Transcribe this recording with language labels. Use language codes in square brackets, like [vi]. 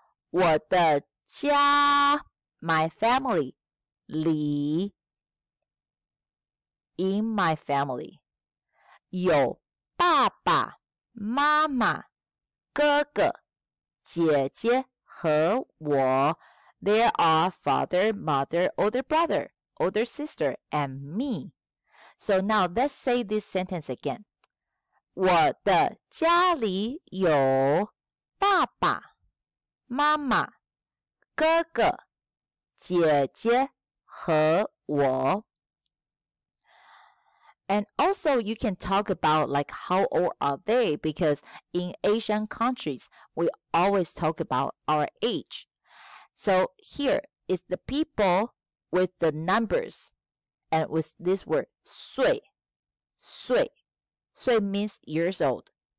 [zh] 我的家 [en] my family 里 in my family。 [zh] 有爸爸、妈妈、哥哥、姐姐和我。 [en] There are father, mother, older brother, older sister, and me. So now let's say this sentence again. [zh] 我的家里有爸爸、妈妈、哥哥、姐姐和我。 [en] And also, you can talk about like how old are they because in Asian countries, we always talk about our age. So here is the people with the numbers and with this word, 岁, 岁, 岁 means years old.